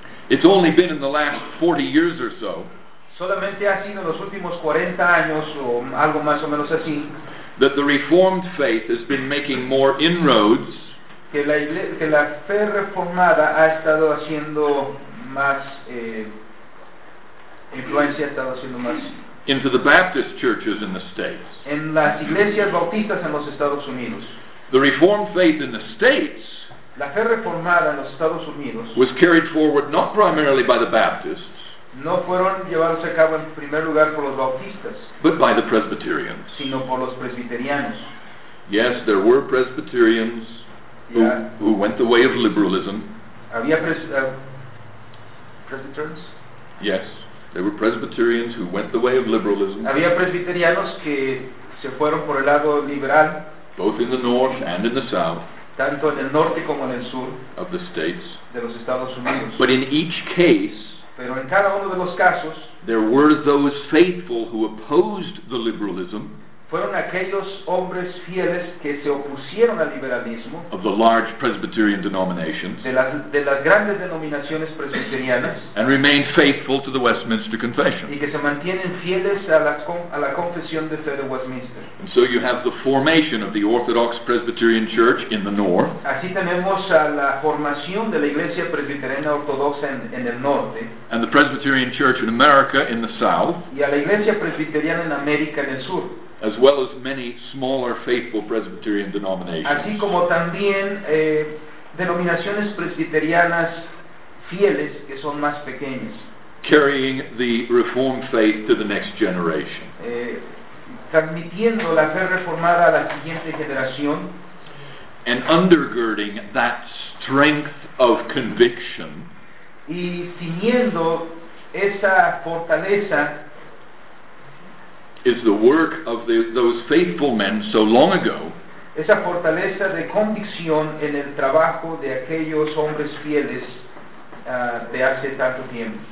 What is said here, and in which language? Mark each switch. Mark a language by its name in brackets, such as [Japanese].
[English] It's only been in the last 40 years or so. [Spanish] Solamente ha sido en los últimos 40 años o algo más o menos así. [English] That the Reformed faith has been making more inroads. [Spanish] Que la fe reformada ha estado haciendo más influencia, ha estado haciendo más. [English] Into the Baptist churches in the States. [Spanish] En las iglesias bautistas en los Estados Unidos. [English] The Reformed faith in the States. [Spanish] La fe reformada en los Estados Unidos [English] was carried forward not primarily by the Baptists, [Spanish] no fueron llevados a cabo en primer lugar por los bautistas, [English] but by the Presbyterians, [Spanish] sino por los presbiterianos. [English] Yes, there were Presbyterians who went the way of liberalism. [Spanish] Había presbyterians. [English] Yes, there were Presbyterians who went the way of liberalism. [Spanish] Había presbiterianos que se fueron por el lado liberal, [English] both in the north and in the south. [Spanish] Tanto en el norte como en el sur [English] of the states, [Spanish] de los Estados Unidos. [English] But in each case, [Spanish] pero en cada uno de los casos, [English] there were those faithful who opposed the liberalism, [Spanish] fueron aquellos hombres fieles que se opusieron al liberalismo, [English] of the large Presbyterian denominations, [Spanish] de las grandes denominaciones presbiterianas, [English] and remained faithful to the Westminster Confession, [Spanish] y que se mantienen fieles a la confesión de fe de Westminster. [English] And so you have the formation of the Orthodox Presbyterian Church in the north. [Spanish] Así tenemos a la formación de la Iglesia Presbiteriana Ortodoxa en el norte, [English] and the Presbyterian Church in America in the south, [Spanish] y a la Iglesia Presbiteriana en América en el sur, [English] as well as many smaller faithful Presbyterian denominations. [Spanish] Así como también denominaciones presbiterianas fieles que son más pequeñas. [English] Carrying the Reformed faith to the next generation. [Spanish] Transmitiendo la fe reformada a la siguiente generación. [English] And undergirding that strength of conviction. [Spanish] Y ciñendo esa fortaleza [English] is the work of those faithful men so long ago. [Spanish] Esa fortaleza de convicción en el trabajo de aquellos hombres fieles de hace tanto tiempo.